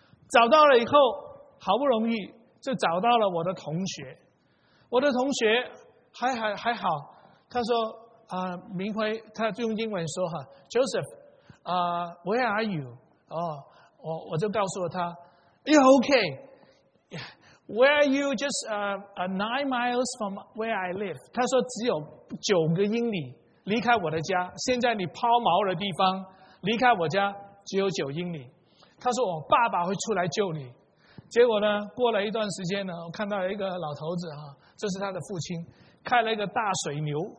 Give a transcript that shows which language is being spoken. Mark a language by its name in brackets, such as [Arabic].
[Chinese] 找到了以后，好不容易就找到了我的同学。我的同学还好，他说明辉，他用英文说哈 ，Joseph， [English] where are you？ [Chinese] 哦，我就告诉他 ， [English] You're okay。 Where are you? Just nine miles from where I live. [Chinese] 他说只有九个英里离开我的家。现在你抛锚的地方离开我家只有九英里。他说我爸爸会出来救你。结果呢，过了一段时间呢，我看到一个老头子啊，这是他的父亲，开了一个大水牛。